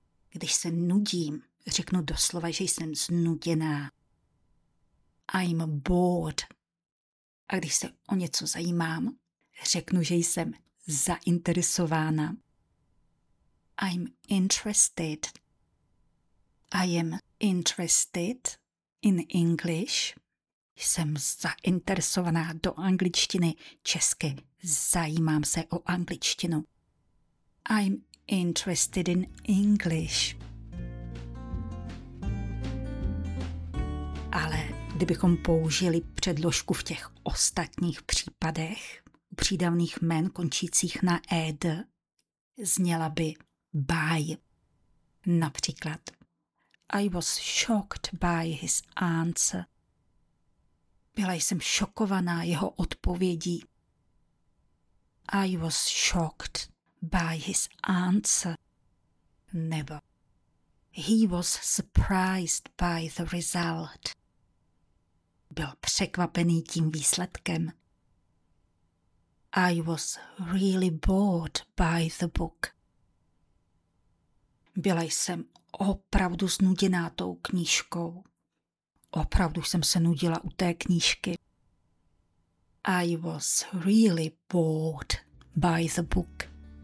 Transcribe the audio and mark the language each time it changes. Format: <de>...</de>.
<cs>Když se nudím, řeknu doslova, že jsem znuděná.</cs> <en>I'm bored.</en> <cs>A když se o něco zajímám, řeknu, že jsem zainteresována.</cs> <en>I'm interested. I am interested in English.</en> <cs>Jsem zainteresovaná do angličtiny, česky. Zajímám se o angličtinu. I'm interested in English. Ale kdybychom použili předložku v těch ostatních případech u přídavných jmen končících na ed, zněla by by.</cs> <en>Například I was shocked by his answer.</en> <cs>Byla jsem šokovaná jeho odpovědí.</cs> <en>I was shocked by his answer. Nebo he was surprised by the result.</en> <cs>Byl překvapený tím výsledkem.</cs> <en>I was really bored by the book.</en> <cs>Byla jsem opravdu znuděná tou knížkou. Opravdu jsem se nudila u té knížky.</cs> <en>I was really bored by the book.</en>